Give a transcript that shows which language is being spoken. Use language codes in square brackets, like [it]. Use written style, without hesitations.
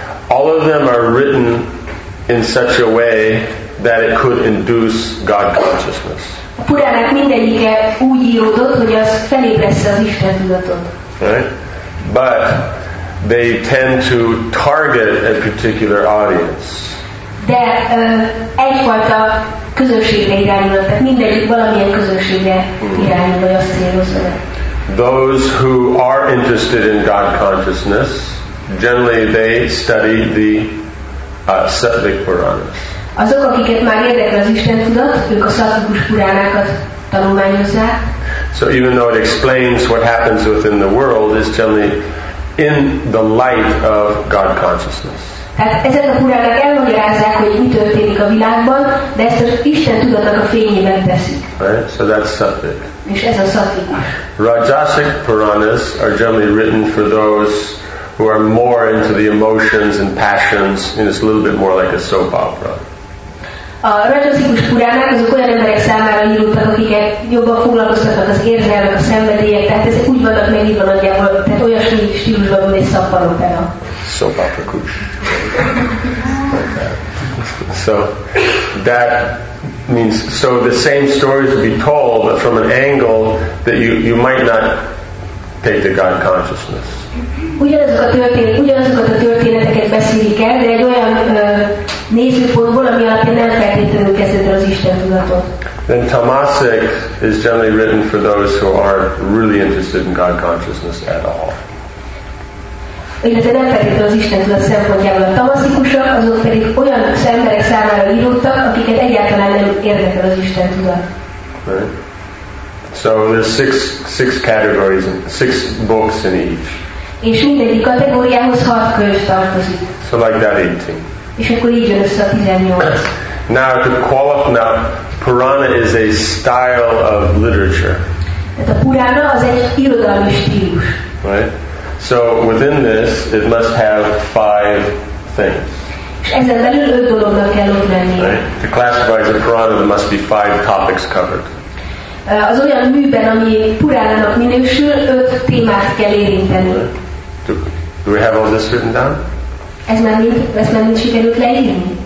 [en] All of them are written in such a way that it could induce God consciousness. [hu] A Puránák mindegyike úgy íródott, hogy az felébressze az Isten tudatot. [en] Right? But they tend to target a particular audience. [hu] De egyfajta közösségre irányul, tehát mindegyik valamilyen közösségre irányul, vagy azt célozza. [en] Those who are interested in God consciousness, generally they study the Sattvic Puranas. [hu] Azok, akiket már érdekel az Isten tudat, ők a Sattvikus Puránákat tanulmányozzák. [en] So even though it explains what happens within the world, it's generally in the light of God consciousness. [hu] Tehát ezek a puránák elmagyarázzák, hogy mi történik a világban, de ezt az Isten tudatnak a fényében teszik. [en] Right? So that's sattvic. [hu] És ez a sattvic. [en] Rajasic Puranas are generally written for those who are more into the emotions and passions, and it's a little bit more like a soap opera. [hu] A rajasikus puránák azok olyan emberek számára írottak, akiket jobban foglalkoztatnak az érzelmek, a szenvedélyek, tehát ezek úgy vannak megírva nagyjából, tehát olyasmi stílusban, mint egy soap opera. [en] Soap opera kush. So that means, so the same stories would be told, but from an angle that you might not take to God consciousness. [hu] Ugyanazok a történetek egy beszéli kell, de egy olyan nézőpontból, ami alapján nem feltétlenül kezdett el az Isten tudatot. [en] Then Tamasic is generally written for those who aren't really interested in God consciousness at all. [hu] Illetve nem feltétlenül az Isten tudat szempontjából. A tamaszikusok azok pedig olyan emberek számára írottak, akiket egyáltalán nem érdekel az Isten tudat. [en] Right. So there's six categories, six books in each. [hu] És mindegyik kategóriához hat könyv tartozik. [en] So like that 18. [hu] És akkor így jön össze a 18. [en] Now to qualify, now Purana is a style of literature. [hu] Tehát a Purana az egy irodalmi stílus. [en] Right. So within this, it must have five things. [hu] És ezen belül öt dolognak kell ott lennie. [en] Right. To classify as a Purana, there must be five topics covered. [hu] Az olyan műben, ami Purana-nak minősül, öt témát kell érinteni. [en] Do we have all this written down? [hu] Ez már mind sikerült leírni?